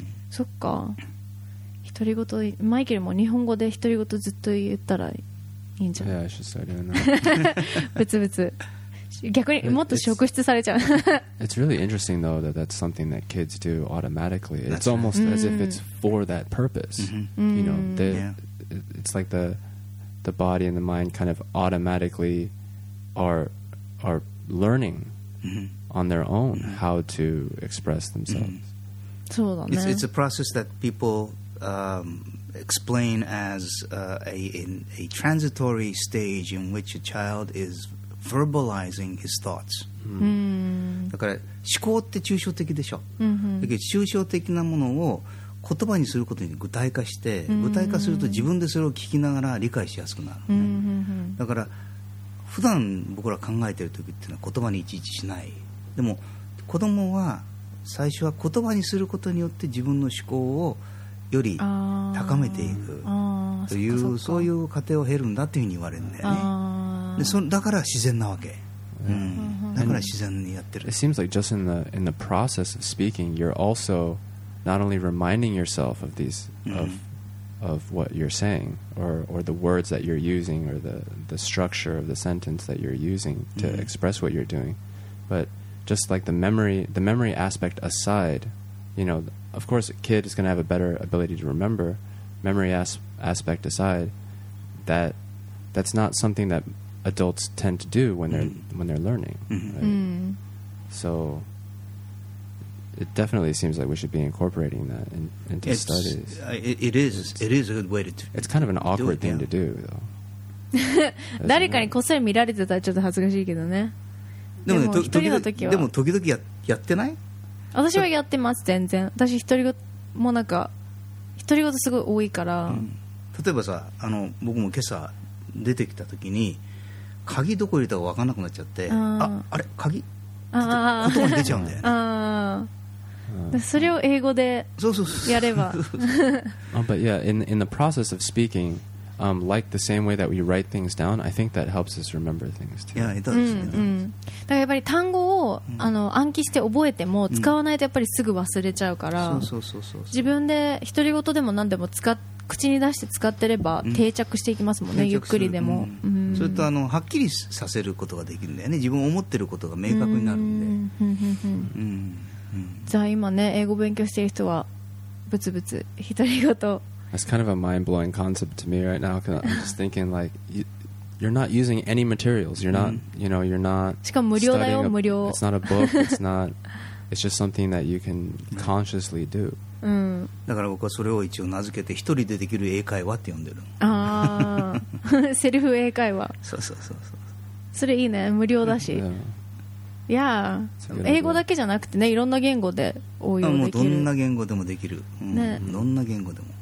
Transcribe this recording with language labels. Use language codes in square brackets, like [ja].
[ja] そっか、独り言、マイケルも日本語で独り言ずっと言ったらいいんじゃない [en] ？ Yeah, I should start doing that. [ja] ブツブツ。逆にもっと職質されちゃう。 [en] It's really interesting though that that's something that kids do automatically. It's almost as if it's for that purpose. You know, it's like the body and the mind kind of automatically are learning on their own how to express themselves. [ja] そうだね。 [en] It's a process that people explain as a transitory stage in which a child is verbalizing his thoughts. [ja] だから思考って抽象的でしょ。だけど抽象的なものを言葉にすることに具体化して、具体化すると自分でそれを聞きながら理解しやすくなる、ね。だから普段僕ら考えてる時っていうのは言葉にいちいちしない。でも子供は最初は言葉にすることによって自分の思考をより高めていくというそういう過程を経るんだっていうふうに言われるんだよね。だから自然なわけ。だから自然にやってる。 [en] It seems like just in the process of speaking, you're also not only reminding yourself of these of what you're saying or the words that you're using or the structure of the sentence that you're using to express what you're doing, but just like the memory aspect aside, you know, of course, a kid is going to have a better ability to remember. Memory aspect aside, that's not something that adults tend to do when they're learning, right? So it definitely seems like we should be incorporating that into studies. It is a good way to. It's kind of an awkward thing to do, though. [ja] 誰かにこっそり見られてたらちょっと恥ずかしいけどね。でも一人の時は。でも時々やってない？私はやってます全然。私一人ごもなんか一人ごとすごい多いから。例えばさ、僕も今朝出てきた時に。鍵どこ入れたか分かんなくなっちゃって あれ鍵って言葉に出ちゃうんだよね。それを英語でやれば。 [en] But yeah, in the process of speaking, like the same way that we write things down, I think that helps us remember things too. Yeah, it does. [ja] だからやっぱり単語を暗記して覚えても使わないとやっぱりすぐ忘れちゃうから、自分で独り言でも何でも口に出して使ってれば定着していきますもんね、ゆっくりでも。それとはっきりさせることができるんだよね、自分思ってることが明確になるんで。じゃあ今ね、英語勉強している人はブツブツ独り言。 [en] That's kind of a mind-blowing concept to me right now, because I'm just thinking like you're not using any materials, you're not you know, you're not [ja] しかも無料だよ、無料。 [en] It's not a book, it's not it's just something that you can consciously do. [ja] だから僕はそれを一応名付けて一人でできる英会話って呼んでる。セルフ英会話。そうそれいいね、無料だし。 [en] Yeah. [ja] 英語だけじゃなくてね、いろんな言語で応用できる。もうどんな言語でもできる、ね、どんな言語でも、